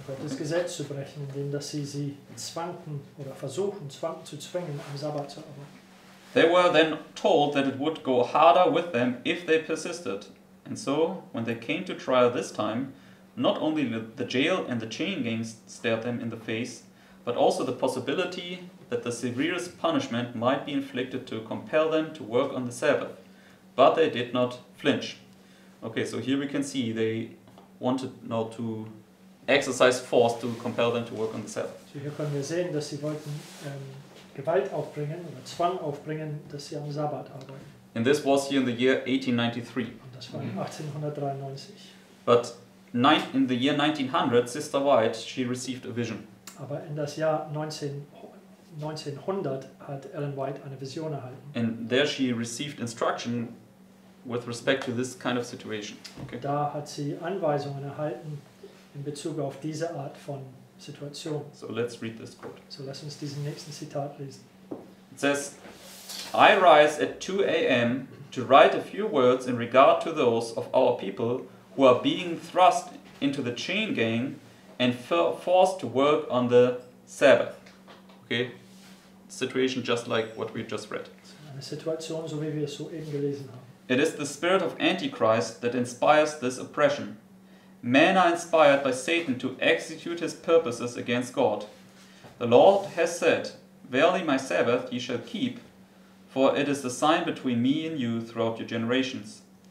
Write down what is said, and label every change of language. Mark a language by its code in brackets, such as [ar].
[de] Gottes Gesetz zu brechen, indem dass sie sie zwangen oder versuchen zwang zu zwingen am Sabbat zu arbeiten. [en] They were then told that it would go harder with them if they persisted. And so, when they came to trial this time, not only the jail and the chain gangs stared them in the face, but also the possibility that the severest punishment might be inflicted to compel them to work on the Sabbath. But they did not flinch. Okay, so here we can see they wanted now to exercise force to compel them to work on the Sabbath. So here [de] können wir sehen, dass sie wollten Gewalt aufbringen oder Zwang aufbringen, dass sie am Sabbat arbeiten. [en] And this was here in the year 1893. [de] Und das war 1893. [en] But in the year 1900, Sister White, she received a vision. [de] Aber in das Jahr 1900 hat Ellen White eine Vision erhalten. [en] And there she received instruction with respect to this kind of situation. Okay. [de] Da hat sie Anweisungen erhalten in Bezug auf diese Art von Situation. [en] So let's read this quote. [de] So lass uns diesen nächsten Zitat lesen. [en] It says, I rise at 2 a.m. to write a few words in regard to those of our people who are being thrust into the chain gang and forced to work on the Sabbath. Okay? Situation just like what we just read. [de] Eine Situation, so wie wir es soeben gelesen haben. [en] It is the spirit of Antichrist that inspires this oppression. Men are inspired by Satan to execute his purposes against God. The Lord has said, Verily my Sabbath ye shall keep, for it is the sign between me and you throughout your generations.